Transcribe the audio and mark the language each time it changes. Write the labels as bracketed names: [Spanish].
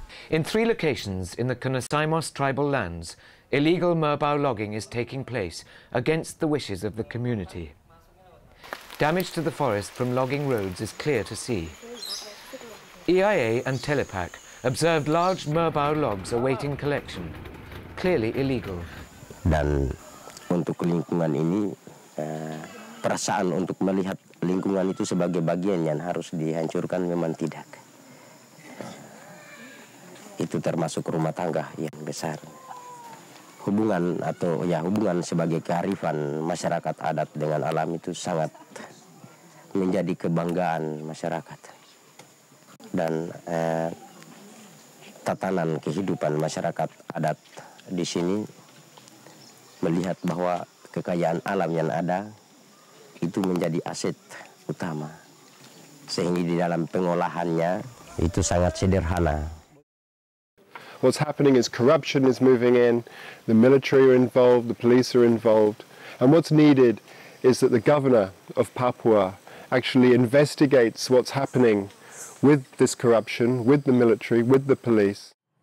[English] In three locations in the Kanasaimos tribal lands, illegal merbau logging is taking place against the wishes of the community. Damage to the forest from logging roads is clear to see. EIA and Telapak observed large merbau logs awaiting collection, clearly illegal. [Indonesian] Dan untuk lingkungan ini, perasaan untuk melihat lingkungan itu sebagai bagian yang harus dihancurkan memang tidak. Itu termasuk rumah tangga yang besar. Hubungan atau ya hubungan sebagai kearifan masyarakat adat dengan alam itu sangat menjadi kebanggaan masyarakat. Dan tatanan kehidupan masyarakat adat di sini melihat bahwa kekayaan alam yang ada itu menjadi aset utama. Sehingga di dalam pengolahannya itu sangat sederhana. [English] What's happening is corruption is moving in, the military are involved, the police are involved, and what's needed is that the governor of Papua actually investigates what's happening with this corruption, with the military, with the police.